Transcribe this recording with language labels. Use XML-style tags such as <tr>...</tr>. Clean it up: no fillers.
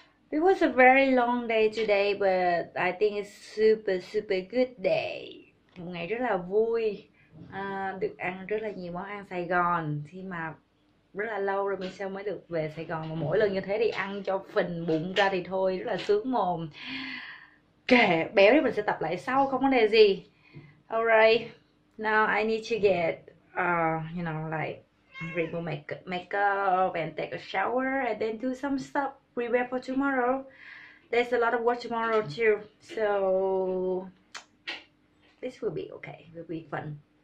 <en>It was a very long day today, but I think it's super good day.</en> <vi>Một ngày rất là vui, được ăn rất là nhiều món ăn Sài Gòn. Khi mà rất là lâu rồi mình sao mới được về Sài Gòn, mà mỗi lần như thế thì ăn cho phình bụng ra thì thôi, rất là sướng mồm. Kệ, béo thì mình sẽ tập lại sau, không có đề gì.</vi> <en>Alright, now I need to get, you know, like remove makeup and take a shower and then do some stuff prepare for tomorrow. There's a lot of work tomorrow too, so this will be okay, it will be fun.</en>